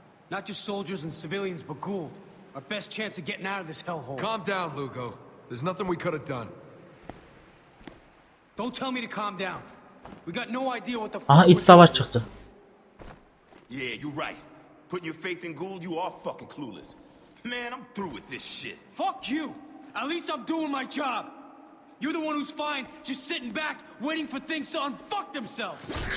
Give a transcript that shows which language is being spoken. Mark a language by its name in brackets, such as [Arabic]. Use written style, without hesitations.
[English] Not just soldiers and civilians, but Gould. Our best chance of getting out of this hellhole. Calm down, Lugo. There's nothing we could have done. Don't tell me to calm down. We got no idea what the fuck. [Turkish] Aha, iç savaş çıktı. [English] Yeah, you're right. Putting your faith in Gould, you are fucking clueless. Man, I'm through with this shit. Fuck you. At least I'm doing my job. You're the one who's fine, just sitting back, waiting for things to unfuck themselves.